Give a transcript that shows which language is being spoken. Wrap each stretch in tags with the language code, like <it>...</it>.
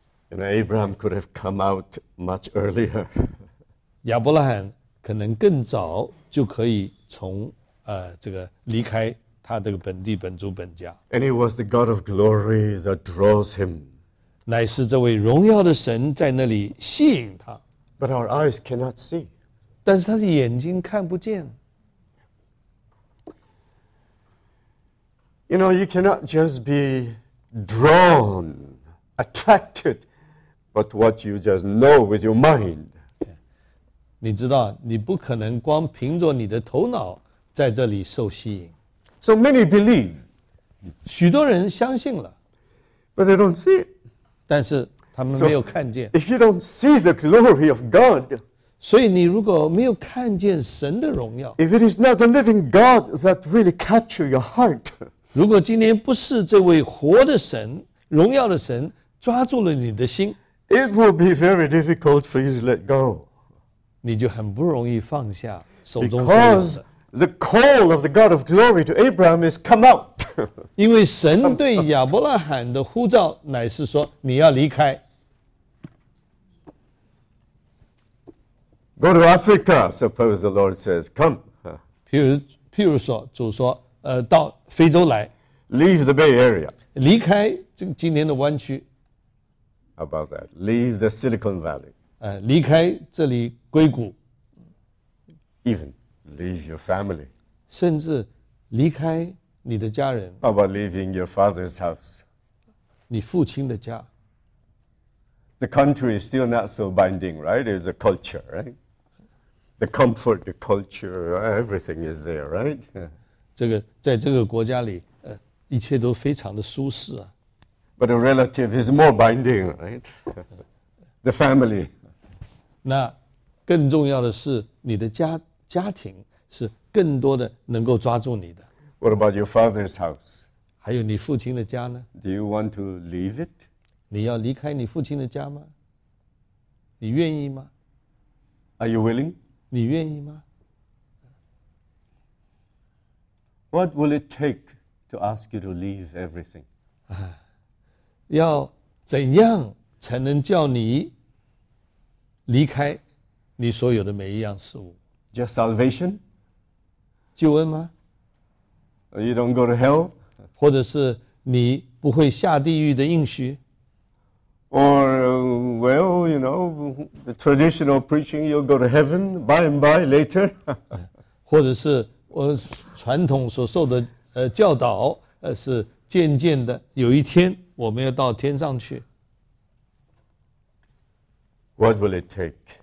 <en>And Abraham could have come out much earlier.</en> <zh>亚伯拉罕可能更早就可以从这个离开他这个本地本族本家。</zh> <en>And it was the God of glory that draws him.</en> <zh>乃是这位荣耀的神在那里吸引他。</zh> <en>But our eyes cannot see.</en> <zh>但是他的眼睛看不见。</zh> <en>You know, you cannot just be drawn, attracted, but what you just know with your mind.</en> <zh>你知道，你不可能光凭着你的头脑在这里受吸引。</zh> <en>So many believe.</en> <zh>许多人相信了。</zh> <en>But they don't see.</en> <zh>但是他们没有看见。</zh> <en>If you don't see the glory of God.</en> <zh>所以你如果没有看见神的荣耀。</zh> <en>If it is not the living God that really captures your heart.</en> <zh>如果今天不是这位活的神，荣耀的神抓住了你的心。</zh> <en>It will be very difficult for you to let go.</en> <zh>你就很不容易放下手中所有的。</zh> <en>Because the call of the God of glory to Abraham is come out.</en> <zh>因为神对亚伯拉罕的呼召乃是说你要离开。</zh> <en>Go to Africa, suppose the Lord says, come.</en> <zh>譬如说主说到非洲来。</zh> <en>Leave the Bay Area.</en> <zh>离开这个今年的湾区。</zh> <en>About that. Leave the Silicon Valley.</en> <zh>离开这里硅谷。</zh> <en>Even leave your family.</en> <zh>甚至离开你的家人。</zh> <en>How about leaving your father's house?</en> <zh>你父亲的家。</zh> <en>The country is still not so binding, right? It's a culture, right? The comfort, the culture, everything is there, right?</en> <zh>这个在这个国家里，一切都非常的舒适啊。</zh> <en>But a relative is more binding, right? The family.</en> <zh>那更重要的是，你的家庭是更多的能够抓住你的。</zh> <en>What about your father's house?</en> <zh>还有你父亲的家呢？</zh> <en>Do you want to leave it?</en> <zh>你要离开你父亲的家吗？你愿意吗？</zh> <en>Are you willing?</en> <zh>你愿意吗？</zh> <en>What will it take to ask you to leave everything?</en> <zh>要怎样才能叫你离开你所有的每一样事物？</zh> <en>Just salvation?</en> <zh>救恩吗？</zh> <en>You don't go to hell?</en> <zh>或者是你不会下地狱的应许？</zh> <en>Or, well, you know, the traditional preaching, you'll go to heaven by and by later.</en> <zh>或者是我传统所受的教导是渐渐的有一天我们要到天上去。</zh> <en>What will it take?</en>